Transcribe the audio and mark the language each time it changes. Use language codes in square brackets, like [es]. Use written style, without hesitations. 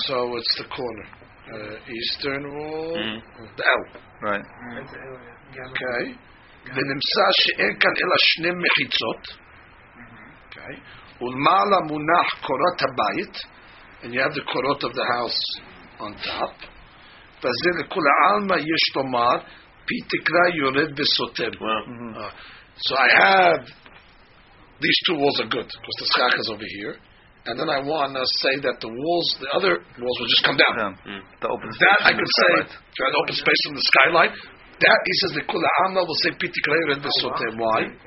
[en] So it's the corner, eastern wall, the L. Right. Okay. [he] ונמצא שאין כאן אלא שני מחיצות ולמעלה מונח קורת הבית [en] and you have the קורות of the house on top [he] וזה לכל העלמה יש לומר פי תקרא יורד וסותם. [en] So I have these two walls are good because the schach is over here and then I want to say that the walls, the other walls will just come down. The open that I could say to an open space in the skylight. That he says the kula alma will say pitikrayu red besotem. Why?